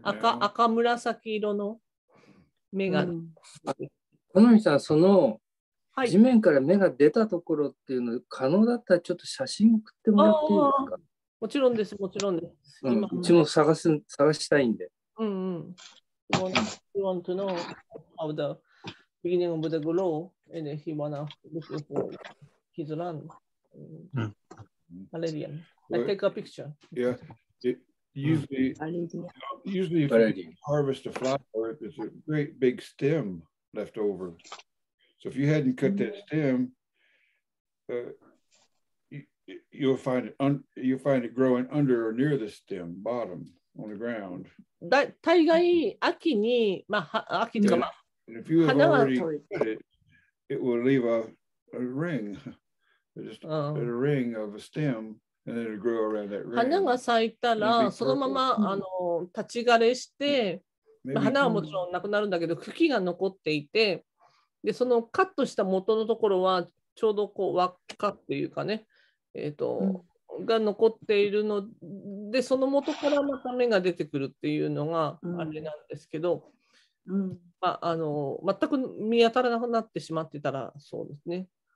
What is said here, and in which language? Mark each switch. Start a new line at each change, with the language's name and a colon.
Japanese: 赤紫色の芽が。このみさん、その地面から芽が出たところっていうの、可能だったらちょっと写真送ってもらっていいですか？もちろんです、もちろんです。うん、うちも探したいんで。うんうん。
English: You want to know how the beginning of the grow, and he wanna look for his land. Malarian. I take a picture. Yeah. Usually if you harvest a flower, there's a great big stem left over. So if you hadn't cut that stem, you'll find it growing under or near the stem, bottom, on the ground.
Japanese: 大概秋に、まあ、秋というか、まあ、
English: if you have already cut it, it will leave a ring, just a ring of a stem, and then it'll grow around that ring.
Japanese: 花が咲いたら、そのまま立ち枯れして、まあ、花はもちろんなくなるんだけど、茎が残っていて、でそのカットした元のところはちょうどこう輪っかっていうかね、が残っているので、その元からまた芽が出てくるっていうのがあれなんですけど、まあ、全く見当たらなくなってしまってたらそうですね、